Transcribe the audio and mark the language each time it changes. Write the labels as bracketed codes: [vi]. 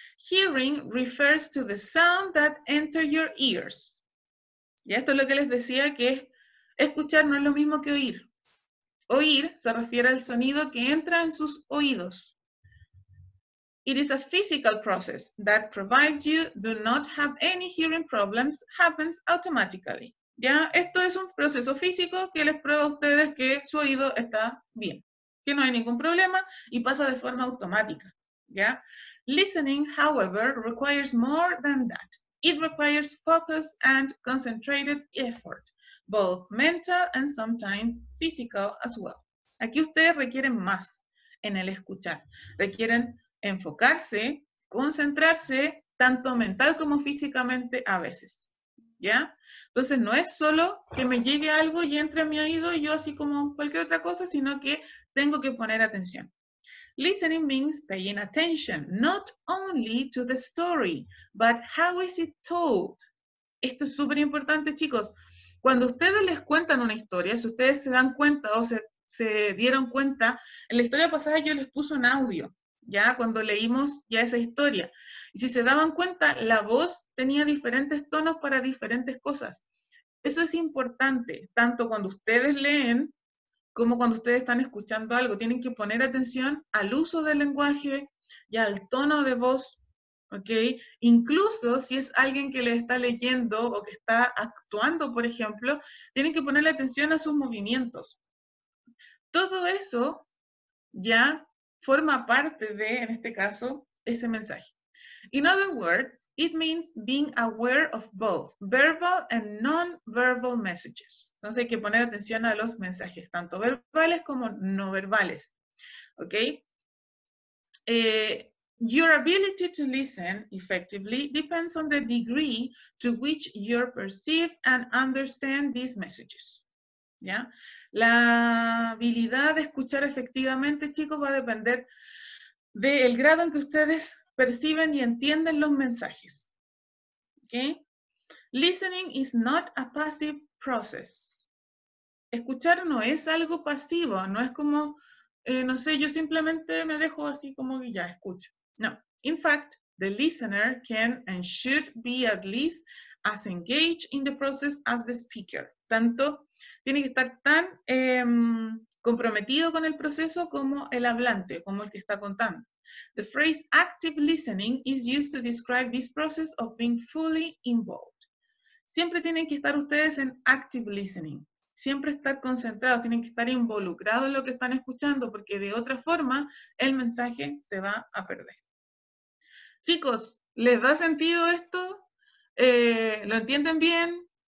[en] Hearing refers to the sound that enters your ears. [es] Y esto es lo que les decía, que escuchar no es lo mismo que oír. Oír se refiere al sonido que entra en sus oídos. [en] It is a physical process that provides you do not have any hearing problems, happens automatically. [es] Ya, esto es un proceso físico que les prueba a ustedes que su oído está bien, que no hay ningún problema y pasa de forma automática. [en] Ya. Listening, however, requires more than that. It requires focus and concentrated effort, both mental and sometimes physical as well. [es] Aquí ustedes requieren más en el escuchar. Requieren enfocarse, concentrarse, tanto mental como físicamente a veces. ¿Ya? Entonces, no es solo que me llegue algo y entre a mi oído y yo así como cualquier otra cosa, sino que tengo que poner atención. [en] Listening means paying attention, not only to the story, but how is it told. [es] Esto es súper importante, chicos. Cuando ustedes les cuentan una historia, si ustedes se dan cuenta o se dieron cuenta, en la historia pasada yo les puse un audio, ya cuando leímos ya esa historia. Y si se daban cuenta, la voz tenía diferentes tonos para diferentes cosas. Eso es importante, tanto cuando ustedes leen como cuando ustedes están escuchando algo, tienen que poner atención al uso del lenguaje y al tono de voz, ¿ok? Incluso si es alguien que le está leyendo o que está actuando, por ejemplo, tienen que ponerle atención a sus movimientos. Todo eso ya forma parte de, en este caso, ese mensaje. [en] In other words, it means being aware of both verbal and non-verbal messages. [es] Entonces hay que poner atención a los mensajes, tanto verbales como no verbales. ¿Ok? [en] Your ability to listen effectively depends on the degree to which you perceive and understand these messages. [es] ¿Ya? La habilidad de escuchar efectivamente, chicos, va a depender del grado en que ustedes perciben y entienden los mensajes. ¿Okay? [en] Listening is not a passive process. [es] Escuchar no es algo pasivo, no es como, no sé, yo simplemente me dejo así como y ya escucho. No. [en] In fact, the listener can and should be at least as engaged in the process as the speaker. [es] Tanto tiene que estar tan comprometido con el proceso como el hablante, como el que está contando. [en] The phrase active listening is used to describe this process of being fully involved. [es] Siempre tienen que estar ustedes en active listening. Siempre estar concentrados, tienen que estar involucrados en lo que están escuchando, porque de otra forma el mensaje se va a perder. Chicos, ¿les da sentido esto? ¿Lo entienden bien?